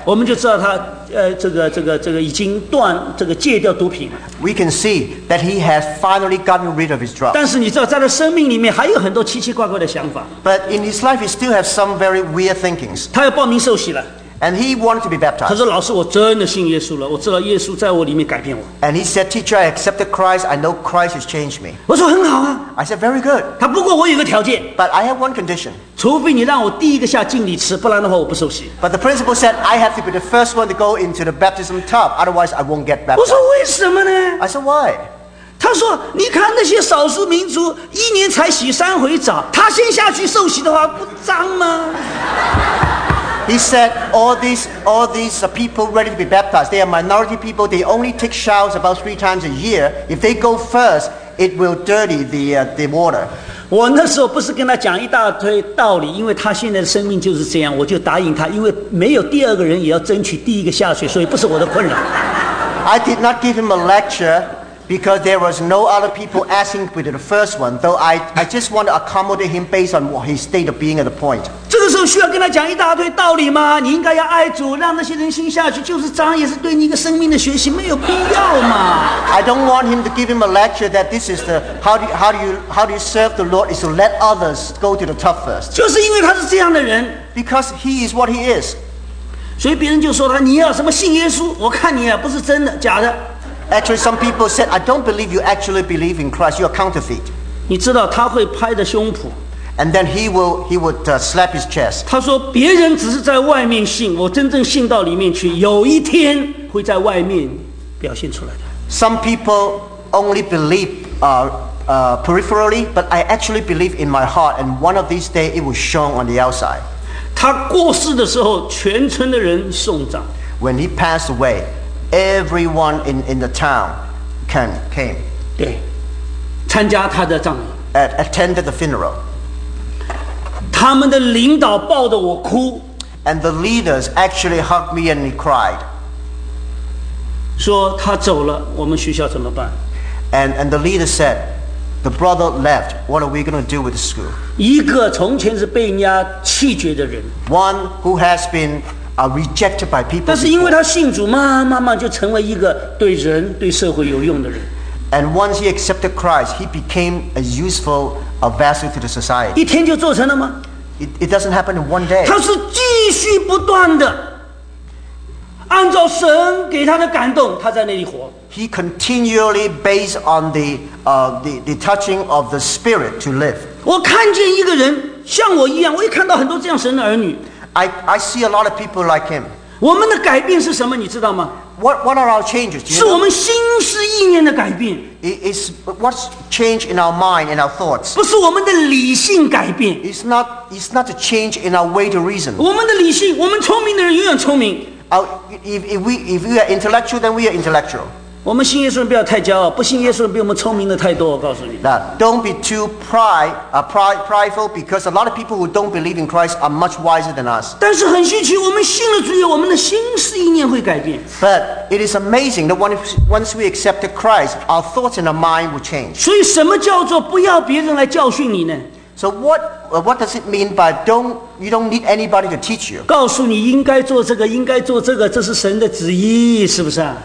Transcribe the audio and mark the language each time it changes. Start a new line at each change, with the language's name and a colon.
Chinese: 我们就知道他这个已经断这个戒掉毒品了。
English: We can see that he has finally gotten rid of his drugs.
Chinese: 但是你知道，在他生命里面还有很多奇奇怪怪的想法。
English: But in his life, he still has some very weird thinkings.
Chinese: 他要报名受洗了。
English: And he wanted to be baptized.
Chinese: 他说：“老师，我真的信耶稣了，我知道耶稣在我里面改变我。”
English: And he said, "Teacher, I accepted Christ. I know Christ has changed me."
Chinese: 我说：“很好啊。”
English: I said, "Very good."
Chinese: 他不过我有个条件。
English: But I have one condition.
Chinese: 除非你让我第一个下浸礼池，不然的话我不受洗。
English: But the principal said, "I have to be the first one to go into the baptism tub. Otherwise, I won't get baptized."
Chinese: 我说：“为什么呢？”
English: I said, "Why?"
Chinese: 他说：“你看那些少数民族一年才洗三回澡，他先下去受洗的话，不脏吗？”
English: He said, all these people ready to be baptized, they are minority people, they only take showers about 3 times a year. If they go first, it will dirty the water.
Chinese: 我那时候不是跟他讲一大堆道理，因为他现在的生命就是这样，我就答应他，因为没有第二个人也要争取第一个下水，所以不是我的困扰。
English: I did not give him a lecture. Because there was no other people asking to be the first one, though I just want to accommodate him based on what his state of being at the point.
Chinese: 这个时候需要跟他讲一大堆道理吗？你应该要爱主，让那些人心下去，就是脏，也是对你一个生命的学习，没有必要嘛。
English: I don't want him to give him a lecture that this is the how do you serve the Lord is to let others go to the top first.
Chinese: 就是因为他是这样的人。
English: Because he is what he is.
Chinese: 所以别人就说他，你要什么信耶稣？我看你啊，不是真的，假的。
English: Actually, some people said, "I don't believe you actually believe in Christ. You're counterfeit."
Chinese: 你知道他会拍着胸脯
English: And then he would slap his chest.
Chinese: 他说别人只是在外面信，我真正信到里面去，有一天会在外面表现出来的。
English: Some people only believe peripherally, but I actually believe in my heart, and one of these days it will show on the outside.
Chinese: 他过世的时候，全村的人送葬。
English: When he passed away, everyone in the town came.
Chinese: 对，参加他的葬礼。
English: Attended the funeral.
Chinese: 他们的领导抱着我哭
English: and the leaders actually hugged me and he cried.
Chinese: 说他走了，我们学校怎么办？
English: And the leader said, the brother left. What are we going to do with the school?
Chinese: 一个从前是被人家弃绝的人，
English: one who has been rejected by people.
Chinese: 但是因为他信主，慢慢就成为一个对人对社会有用的人。
English: And once he accepted Christ, he became a useful vessel to the society.
Chinese: 一天就做成了吗？
English: It doesn't happen in one day.
Chinese: 他是继续不断的，按照神给他的感动，他在那里活。
English: He continually based on the touching of the Spirit to live.
Chinese: 我看见一个人像我一样，我也看到很多这样神的儿女。
English: I see a lot of people like him.
Chinese: 我们的改变是什么？你知道吗？
English: What are our changes?
Chinese: 是我们心思意念的改变。
English: It's what's changed in our mind and our thoughts.
Chinese: 不是我们的理性改变。
English: It's not a change in our way to reason.
Chinese: 我们的理性，我们聪明的人永远聪明。
English: If we are intellectual, then we are intellectual.
Chinese: 我们信耶稣人不要太骄傲，不信耶稣人比我们聪明的太多。我告诉你。
English: Now, don't be too prideful, because a lot of people who don't believe in Christ are much wiser than us.
Chinese: 但是很稀奇，我们信了主耶稣，我们的心思意念会改变。
English: But it is amazing that once we accepted Christ, our thoughts and our mind will change.
Chinese: 所以，什么叫做不要别人来教训你呢？
English: So what does it mean by you don't need anybody to teach you?
Chinese: 告诉你应该做这个，应该做这个，这是神的旨意，是不是啊？